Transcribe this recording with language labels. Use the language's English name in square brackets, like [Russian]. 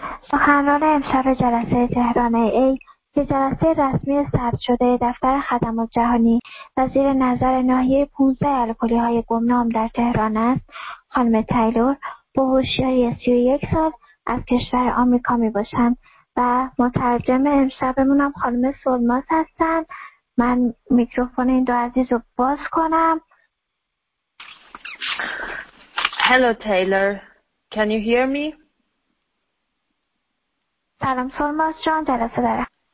[Persian] سخنران امشب جلسه تهران ای که جلسه رسمی ثبت شده دفتر خدمات جهانی و زیر نظر ناحیه 15 الکلی‌های گمنام در تهران است، خانم تایلور با هوشیاری 31 سال از کشور آمریکا میباشند و مترجم امشبمون هم خانم سلماس هستند. من میکروفون این دو عزیز رو باز کنم. [English] Hello Taylor, can you hear me? [Persian] سلام سلماس جان، جلسه دارم.